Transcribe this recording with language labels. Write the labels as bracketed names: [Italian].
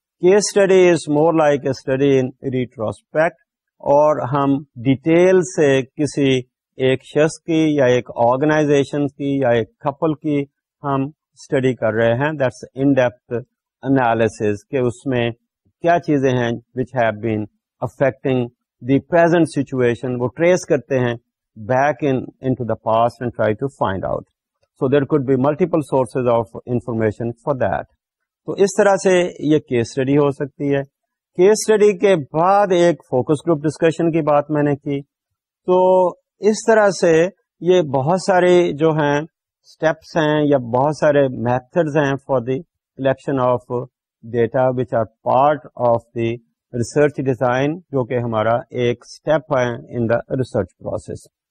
[Urdu] Case study [English] is more like a study in retrospect, [Urdu] اور ہم detail سے کسی ایک شخص کی یا ایک آرگنائزیشن کی یا ایک کپل کی ہم اسٹڈی کر رہے ہیں. [English] that's in depth analysis [Urdu] کہ اس میں کیا چیزیں ہیں [English] which have been affecting the present situation, [Urdu] وہ ٹریس کرتے ہیں [English] Back into the past and try to find out. So there could be multiple sources of information for that. [Urdu] تو اس طرح سے یہ کیس اسٹڈی ہو سکتی ہے. کیس اسٹڈی کے بعد ایک فوکس گروپ ڈسکشن کی بات میں نے کی. تو اس طرح سے یہ بہت سارے جو ہیں اسٹیپس ہیں یا بہت سارے میتھڈز ہیں [English] for the collection of data which are part of the research design, [Urdu] جو کہ ہمارا ایک اسٹیپ ہے [English] In the research process.